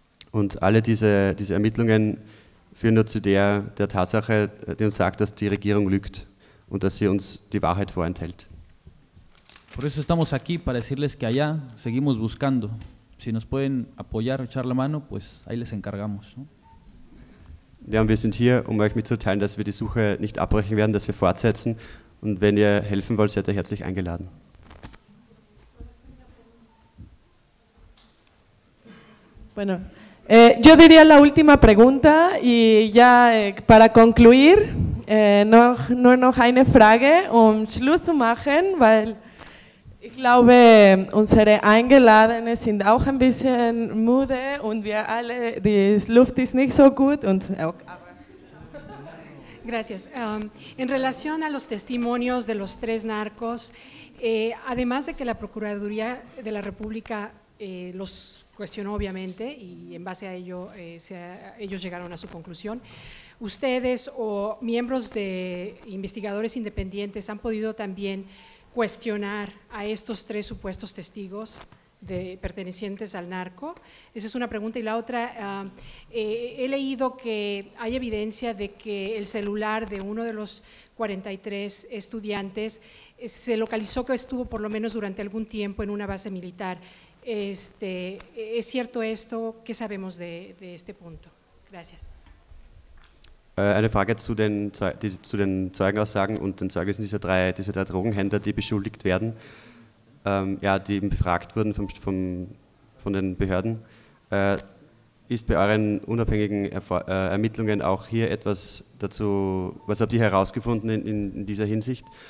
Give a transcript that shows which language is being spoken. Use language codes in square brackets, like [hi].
[de] Und alle diese Ermittlungen führen nur zu der Tatsache, die uns sagt, dass die Regierung lügt und dass sie uns die Wahrheit vorenthält. [es] Por eso estamos aquí, para decirles que allá seguimos buscando. Si nos pueden apoyar, echar la mano, pues ahí les encargamos. [de] Ja, und wir sind hier, um euch mitzuteilen, dass wir die Suche nicht abbrechen werden, dass wir fortsetzen. Und wenn ihr helfen wollt, seid ihr herzlich eingeladen. [es] Bueno. Yo diría la última pregunta y ya para concluir, [de] nur noch eine Frage, Schluss zu machen, weil ich glaube, unsere Eingeladenen sind auch ein bisschen müde und wir alle, die Luft ist nicht so gut. [es] Gracias. En relación a los testimonios de los 3 narcos, además de que la Procuraduría de la República los cuestionó obviamente y en base a ello ellos llegaron a su conclusión. ¿Ustedes o miembros de investigadores independientes han podido también cuestionar a estos 3 supuestos testigos pertenecientes al narco? Esa es una pregunta. Y la otra, he leído que hay evidencia de que el celular de uno de los 43 estudiantes se localizó que estuvo por lo menos durante algún tiempo en una base militar. ¿Es cierto esto? ¿Qué sabemos de este punto? Gracias. [de] Eine Frage zu den Zeugenaussagen und den Zeugnissen dieser drei Drogenhändler, die beschuldigt werden, die eben befragt wurden von den Behörden. Ist bei euren unabhängigen Ermittlungen auch hier etwas dazu, was habt ihr herausgefunden in dieser Hinsicht?